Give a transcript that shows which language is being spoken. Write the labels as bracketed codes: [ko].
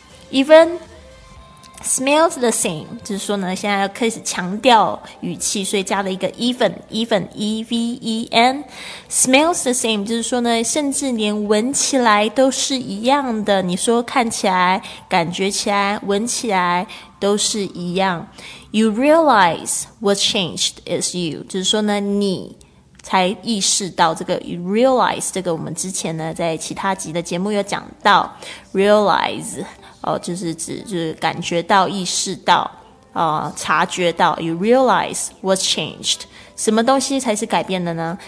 [en] Even smells the same， [zh] 就是说呢，现在要开始强调语气，所以加了一个 even even。 [en] Smells the same， [zh] 就是说呢，甚至连闻起来都是一样的。你说看起来、感觉起来、闻起来都是一样。 [en] You realize what changed is you， [zh] 就是说呢，你。才意识到这个 realize， 这个我们之前呢在其他集的节目有讲到 realize、哦、就是指就是感觉到意识到、察觉到。 [en] You realize what's changed， [zh] 什么东西才是改变的呢？